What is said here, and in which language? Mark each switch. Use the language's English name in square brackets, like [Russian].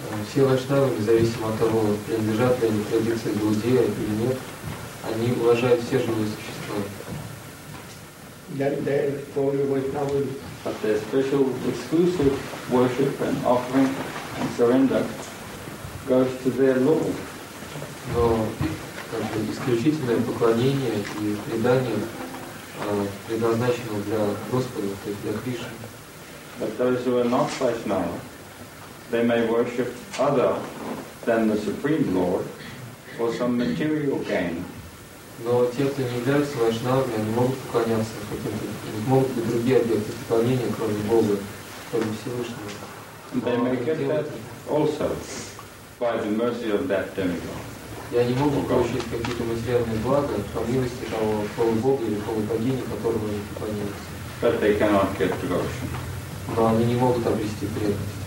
[Russian] Все вайшнавы, независимо от того, принадлежат ли они традиции Гаудия или нет, они уважают все живые существа. [English] But their special exclusive worship and offering and surrender goes to their Lord. [Russian] Но как бы исключительное поклонение и предание предназначено для Господа, то есть для Кришны. [English] But those who are not vaishnava, they may worship other than the Supreme Lord for some material gain. [Russian] Но те, кто не являются вайшнавами, они могут поклоняться каким-то, могут быть другие объекты поклонения, кроме Бога, кроме Всевышнего. [English] They may get that also by the mercy of that demigod. [Russian] И они могут получить какие-то материальные блага по милости того полубога или полубогини, которому они поклоняются. [English] But they cannot get devotion. [Russian] Но они не могут обрести преданность.